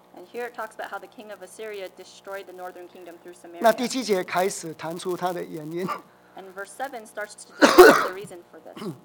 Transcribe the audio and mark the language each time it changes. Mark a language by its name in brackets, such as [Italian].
[English] And here it talks about how the king of Assyria destroyed the northern kingdom through Samaria. [Chinese] 那第七节开始谈出他的原因。 [English] And verse 7 starts to describe the reason for this.